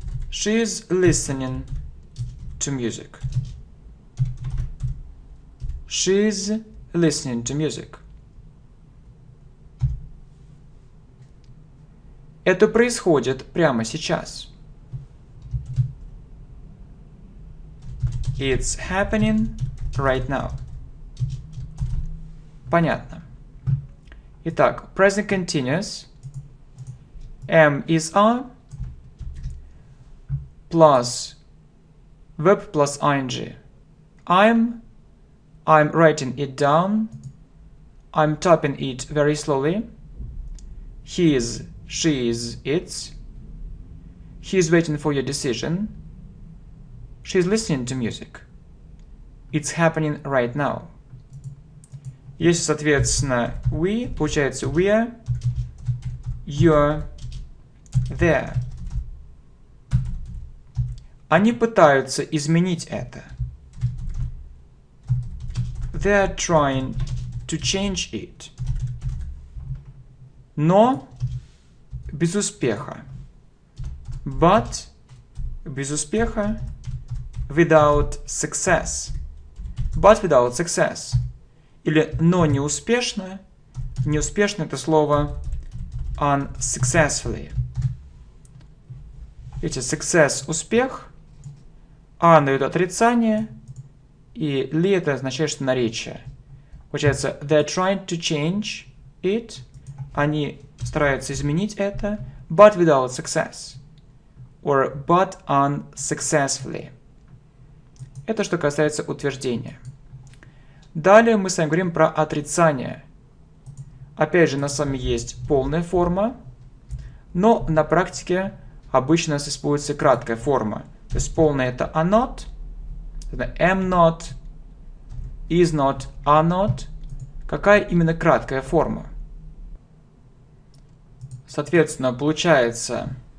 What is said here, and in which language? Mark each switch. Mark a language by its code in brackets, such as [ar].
[en] She's listening to music. She's listening to music. [ru] Это происходит прямо сейчас. [en] It's happening right now. [ru] Понятно. Итак, [en] present continuous. Am is are. Plus verb plus ing. I'm writing it down. I'm typing it very slowly. He's, she's, it's. He's waiting for your decision. She's listening to music. It's happening right now. [ru] Если, соответственно, [en] we, [ru] получается [en] we're, you're, there. [ru] Они пытаются изменить это. [en] They're trying to change it. [ru] Но без успеха. [en] But [ru] без успеха. [en] Without success. But without success. [ru] Или но неуспешно. Неуспешно это слово unsuccessfully. Видите, success – успех. Un дает отрицание. И ли это означает, что наречие. Получается, [en] they're trying to change it. [ru] Они стараются изменить это. [en] But without success. Or but unsuccessfully. [ru] Это что касается утверждения. Далее мы с вами говорим про отрицание. Опять же, у нас с вами есть полная форма, но на практике обычно у нас используется краткая форма. То есть полная это [en] are not, am not, is not, are not. [ru] Какая именно краткая форма? Соответственно, получается